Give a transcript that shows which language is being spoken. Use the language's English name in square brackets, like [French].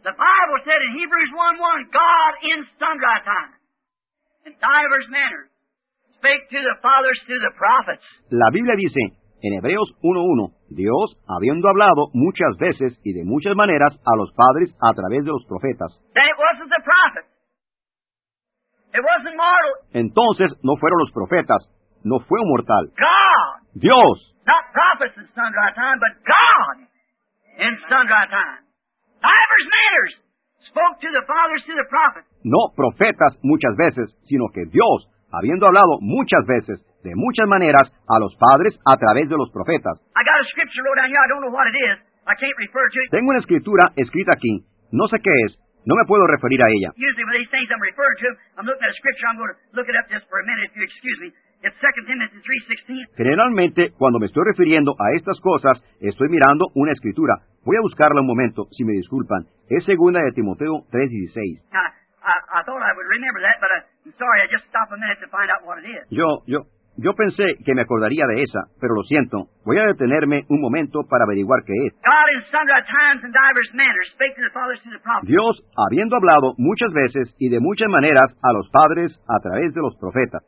[English] The Bible said in Hebrews 1:1, God in sundry time, in divers manners, spake to the fathers through the prophets. [Spanish] La Biblia dice en Hebreos 1:1, Dios, habiendo hablado muchas veces y de muchas maneras a los padres a través de los profetas. [English] Then it wasn't the prophet. It wasn't mortal. [Spanish] Entonces, no fueron los profetas. No fue un mortal. [English] God. [Spanish] Dios. [English] Not prophets in sundry time, but God in sundry time. Divers manners spoke to the fathers through the prophets. [Spanish] No profetas muchas veces, sino que Dios, habiendo hablado muchas veces, de muchas maneras, a los padres a través de los profetas. [English] I got a scripture wrote down here. I don't know what it is. I can't refer to it. [Spanish] Tengo una escritura escrita aquí. No sé qué es. No me puedo referir a ella. [English] Usually with these things I'm referring to, I'm looking at a scripture. I'm going to look it up just for a minute, if you excuse me. It's 2 Timothy 3:16. [Spanish] Generalmente, cuando me estoy refiriendo a estas cosas, estoy mirando una escritura. Voy a buscarla un momento, si me disculpan. Es 2 Timoteo 3:16. [English] I thought I would remember that, but I'm sorry, I just stopped a minute to find out what it is. [Spanish] Yo pensé que me acordaría de esa, pero lo siento. Voy a detenerme un momento para averiguar qué es. [English] God in sundry times and divers manners spake to the fathers through the prophets. [Spanish] Dios, habiendo hablado muchas veces y de muchas maneras a los padres a través de los profetas.